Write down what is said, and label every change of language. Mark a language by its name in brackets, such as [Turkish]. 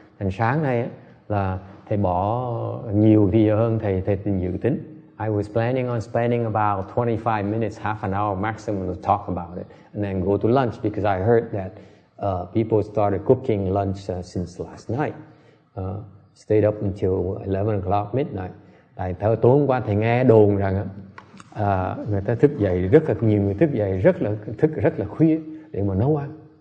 [Vietnamese] Thành sáng nay là thầy bỏ nhiều video hơn thầy dự tính. [English] I was planning on spending about 25 minutes, half an hour maximum to talk about it and then go to lunch because I heard that people started cooking lunch since last night. Stayed up until 11 o'clock midnight. [Vietnamese] Tại tối hôm qua thầy nghe đồn rằng người ta thức dậy rất là nhiều, người thức dậy rất là khuya để mà nấu ăn.